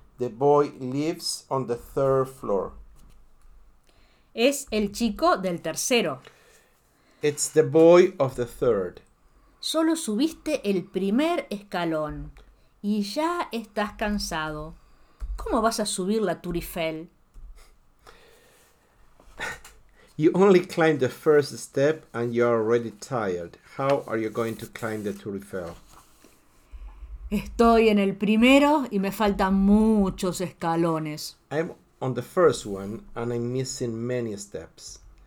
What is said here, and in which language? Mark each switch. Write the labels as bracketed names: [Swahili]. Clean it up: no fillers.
[English] The boy lives on the third floor. [Spanish] Es el chico del tercero. [English] It's the boy of the third. [Spanish] Solo subiste el primer escalón y ya estás cansado. ¿Cómo vas a subir la Tour Eiffel? [English] You only climbed the first step and you're already tired. How are you going to climb the Tour Eiffel? [Spanish] Estoy en el primero y me faltan muchos escalones. [English] I'm on the first one and I'm missing many steps.